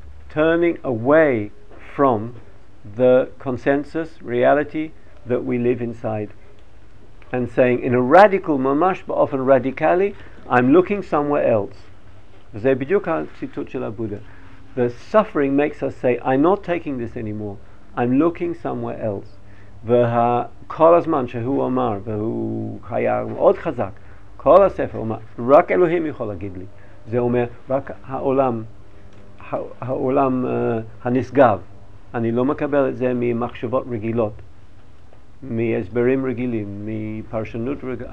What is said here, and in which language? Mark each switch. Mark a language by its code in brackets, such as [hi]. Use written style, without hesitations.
[en] Turning away from the consensus, reality that we live inside. And saying in a radical, [he] ממש באופן רדיקלי, [en] I'm looking somewhere else. [he] וזה בדיוק הציטוט של הבודה. [en] The suffering makes us say, I'm not taking this anymore. I'm looking somewhere else. [he] וכל הזמן שהוא אמר, והוא היה מאוד חזק, כל הספר אומר, רק אלוהים יכול להגיד לי. זה אומר, רק העולם, העולם הנשגב. אני לא מקבל את זה ממחשבות רגילות, מהסברים רגילים, מפרשנות רגילות.